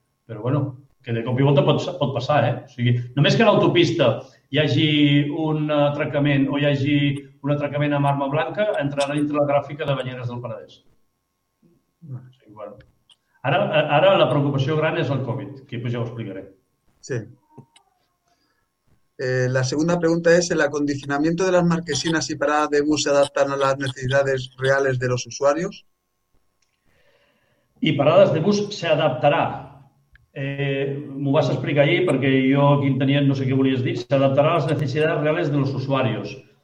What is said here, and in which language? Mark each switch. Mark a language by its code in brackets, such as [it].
[ca] Però, bueno, que de cop i volta pot passar. O sigui, només que a l'autopista hi hagi un atracament o hi hagi un atracament amb arma blanca, entrarà dintre la gràfica de Banyeres del Penedès. Sí, bueno. Ara la preocupació gran és el Covid, que pues, ja ho explicaré. Sí. [es] La segunda pregunta es, ¿el acondicionamiento de las marquesinas y paradas de bus se adaptan a las necesidades reales de los usuarios? [ca] I parades de bus s'adaptarà. M'ho vas explicar ahir perquè jo aquí tenia, no sé què volies dir, s'adaptarà a les necessitats reals dels usuaris.